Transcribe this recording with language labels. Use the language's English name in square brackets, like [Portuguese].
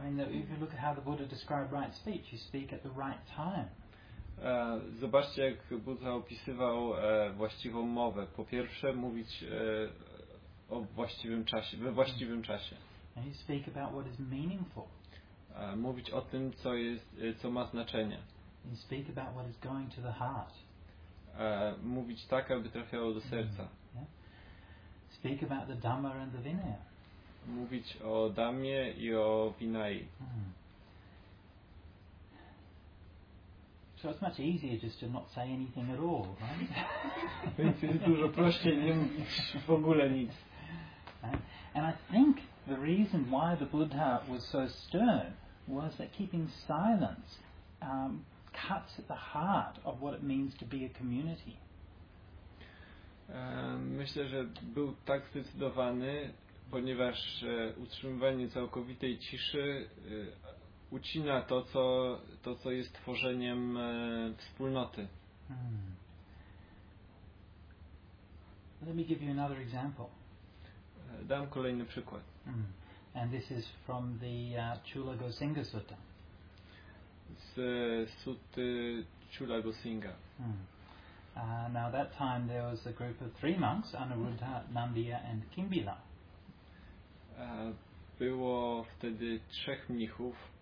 [English] If you look at how the Buddha described right speech, you speak at the right time. [Polish] Zobaczcie, jak Buddha opisywał właściwą mowę. Po pierwsze, mówić o właściwym czasie, we właściwym czasie. [English] And you speak about what is meaningful. [Polish] Mówić o tym, co jest, co ma znaczenie. [English] You speak about what is going to the heart. [Polish] Mówić tak, aby trafiało do serca. [English] Yeah. Speak about the Dhamma and the Vinaya. [Polish] Mówić o Dhammie i o Vinayi. [English] So it's much easier just to not say anything at all, right? [Polish] Więc jest dużo prościej nie mówić w ogóle nic. [English] And I think the reason why the Buddha was so stern was that keeping silence cuts at the heart of what it means to be a community. [Polish] Myślę, że był tak zdecydowany, ponieważ utrzymywanie całkowitej ciszy ucina to, co jest tworzeniem wspólnoty. [English] Let me give you another example. [Polish] Dam kolejny przykład. [English] And this is from the Chula Gosinga Sutta. [Polish] Z Sutty Chula Gosinga. [English] Now at that time there was a group of three monks, Anuruddha, Nandiya and Kimbila. [Polish] Było wtedy trzech mnichów.